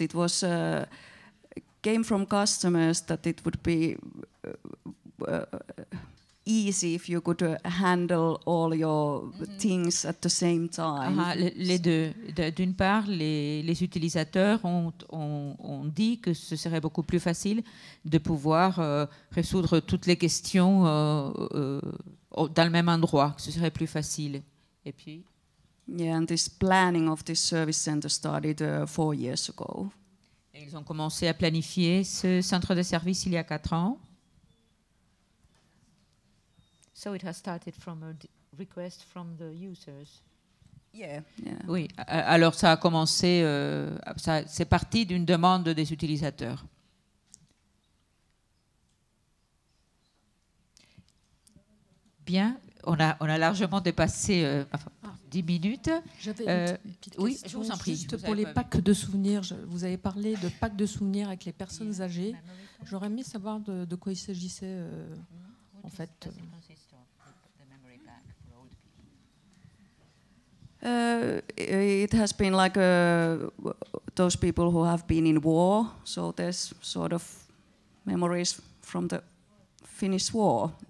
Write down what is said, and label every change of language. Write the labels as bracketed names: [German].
[English] It was came from customers that it would be easy if you could handle all your things at the same time. [French] Les deux. D'une part, les utilisateurs ont dit que ce serait beaucoup plus facile de pouvoir résoudre toutes les questions dans le même endroit, que ce serait plus facile. Et puis, [English] yeah, and this planning of this service center started 4 years ago. [French] Et ils ont commencé à planifier ce centre de service il y a 4 ans. [English] So it has started from a request from the users. Yeah. [French] Oui. Alors ça a commencé. C'est parti d'une demande des utilisateurs. Bien. On a largement dépassé 10 minutes. J'avais une petite question. Oui, je vous en prie. Juste pour les packs de souvenirs. Vous avez parlé de packs de souvenirs avec les personnes âgées. J'aurais aimé savoir de quoi il s'agissait en fait. [English] It has been like those people who have been in war, so there's sort of memories from the Finnish war.